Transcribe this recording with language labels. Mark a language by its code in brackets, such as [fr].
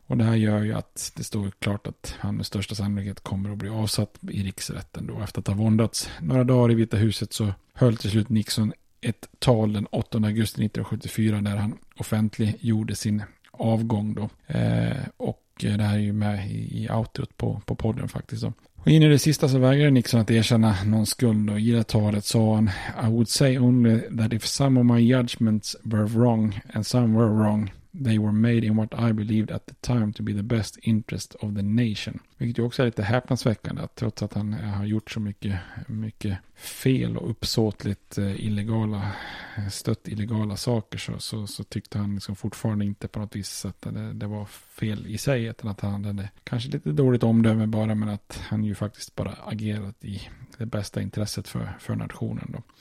[sv] Och det här gör ju att det står klart att han med största sannolikhet kommer att bli avsatt i riksrätten då. Efter att ha våndats några dagar i Vita huset så höll till slut Nixon ett tal den 8 augusti 1974 där han offentliggjorde sin avgång då. Och det här är ju med i outrot på podden faktiskt då. Och in i det sista så vägrade Nixon att erkänna någon skuld, och i det talet sa han: [en] "I would say only that if some of my judgments were wrong and some were wrong, they were made in what I believed at the time to be the best interest of the nation." [sv] Vilket ju också är lite häpnadsväckande att trots att han har gjort så mycket, mycket fel och uppsåtligt illegala saker så tyckte han liksom fortfarande inte på något vis att det var fel i sig, utan att han hade kanske lite dåligt omdöme bara, men att han ju faktiskt bara agerat i det bästa intresset för nationen då.